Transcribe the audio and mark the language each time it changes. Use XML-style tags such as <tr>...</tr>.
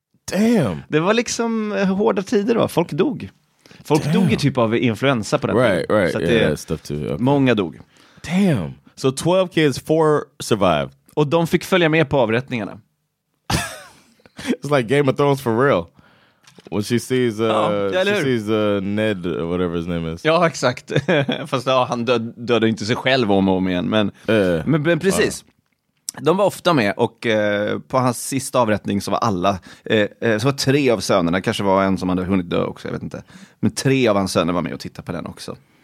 <en>Damn.</en> <sv>Det var liksom hårda tider då, folk dog. Folk dog i typ av influensa på den</sv> <en>tiden. Right, så yeah, stuff too. Okay.</en> <sv>Många dog.</sv> <en>Damn. So 12 kids, 4 survived.</en> <sv>Och de fick följa med på avrättningarna.</sv> <en>It's like Game of Thrones for real. When she sees Ned, whatever his name is.</en> <sv>Ja, exakt. Fast ja, han dödde inte sig själv om och om igen. Men, men precis. De var ofta med, och på hans sista avrättning så var alla, så var 3 av sönerna, kanske var en som hade hunnit dö också, jag vet inte. Men 3 av hans söner var med och tittade på den också.</sv>